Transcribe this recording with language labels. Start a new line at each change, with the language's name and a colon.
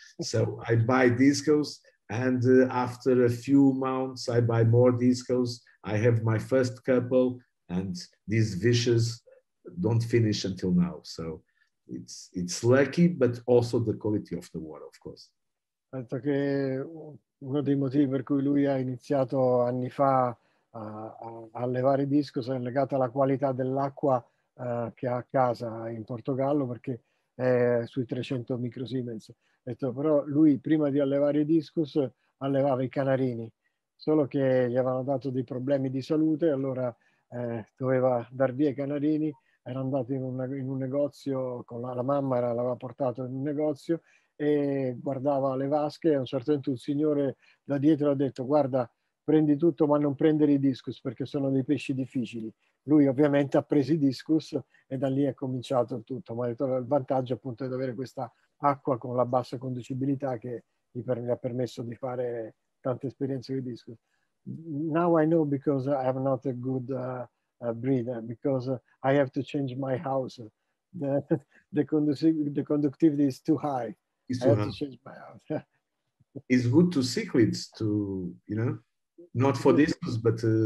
English: So I buy discos, and after a few months, I buy more discos. I have my first couple, and these fishes don't finish until now, so it's lucky, but also the quality of the water, of course.
Italian: Penso che uno dei motivi per cui lui ha iniziato anni fa a allevare discos è legato alla qualità dell'acqua che ha a casa in Portogallo, perché è sui 300 microsiemens. Però lui prima di allevare discos allevava i canarini, solo che gli avevano dato dei problemi di salute, allora doveva dar via i canarini. Era andato in un negozio, con la mamma l'aveva portato in un negozio e guardava le vasche, e a un certo punto un signore da dietro ha detto: guarda, prendi tutto ma non prendere i discus perché sono dei pesci difficili. lui ovviamente ha preso i discus e da lì è cominciato tutto, ma il vantaggio appunto è di avere questa acqua con la bassa conducibilità che gli ha permesso di fare tante esperienze con i discus.
English: Now I know because I have not a good breeder, because I have to change my house. The conductivity is too high. It's good to cichlids to, you know, not for this, but